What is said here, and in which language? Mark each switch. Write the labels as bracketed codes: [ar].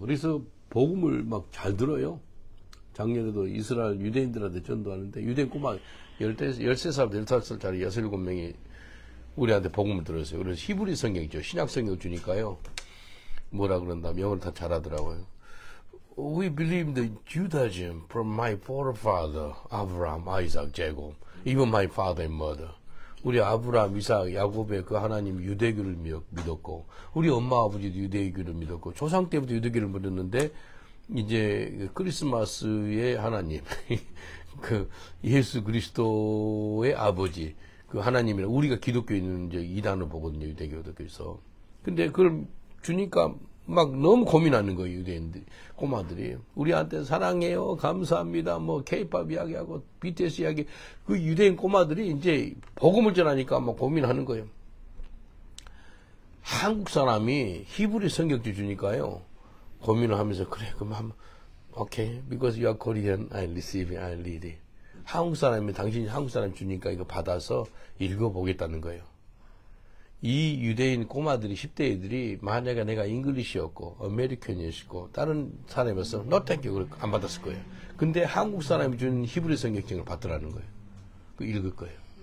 [ko] 그래서 복음을 막잘 들어요. 작년에도 이스라엘 유대인들한테 전도하는데, 유대인 꼬마 13살, 15살짜리 6, 7명이 우리한테 복음을 들었어요. 그래서 히브리 성경이죠. 신약 성경을 주니까요. 뭐라 그런다? 영어를 다 잘하더라고요. [en] We believe in the Judaism from my forefather, Abraham, Isaac, Jacob, even my father and mother. [ko] 우리 아브라함, 이삭, 야곱의 그 하나님 유대교를 믿었고, 우리 엄마, 아버지도 유대교를 믿었고, 조상 때부터 유대교를 믿었는데, 이제 크리스마스의 하나님, 그 예수 그리스도의 아버지, 그 하나님이라 우리가 기독교인은 이제 이단을 보거든요, 유대교도교에서. 근데 그걸 주니까 막 너무 고민하는 거예요, 유대인들, 꼬마들이. 우리한테 사랑해요, 감사합니다, 뭐 케이팝 이야기하고 BTS 이야기, 그 유대인 꼬마들이 이제 복음을 전하니까 막 고민하는 거예요. 한국 사람이 히브리 성경도 주니까요. 고민을 하면서, 그래, 그럼 한번, [en] okay, because you are Korean, I receive, I read it. [ko] 한국 사람이, 당신이 한국 사람 주니까 이거 받아서 읽어보겠다는 거예요. 이 유대인 꼬마들이, 10대 애들이, 만약에 내가 잉글리시였고, 아메리칸이었고, 다른 사람이었으면, [en] no thank you, [ko] 안 받았을 거예요. 근데 한국 사람이 준 히브리 성경책을 받더라는 거예요. 그 읽을 거예요.